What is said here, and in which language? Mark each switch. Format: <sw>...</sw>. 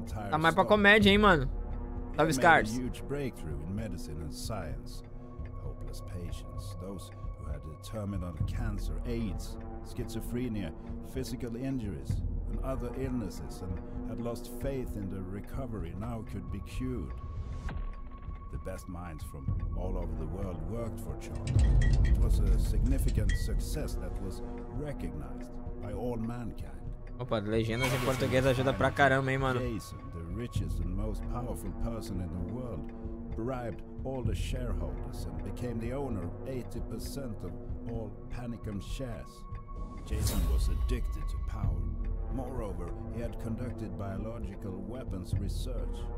<pt>Tá mais pra comédia, hein, mano? Salve, Scars. Ele fez um grande breakthrough em medicina e ciência.</pt> <en>Hopeless patients, those who had terminal cancer, AIDS, schizophrenia, physical injuries, and other illnesses, and had lost faith in their recovery, now could be cured. The best minds from all over the world worked for Charlie. It was a significant success that was recognized by all mankind.</en> <pt>Opa, legendas em português ajuda pra caramba, hein, mano.</pt> <en>Jason, the richest and most powerful person in the world, bribed all the shareholders and became the owner of 80% of all Panicum shares. Jason was addicted to power. Moreover, he had conducted biological weapons research.</en>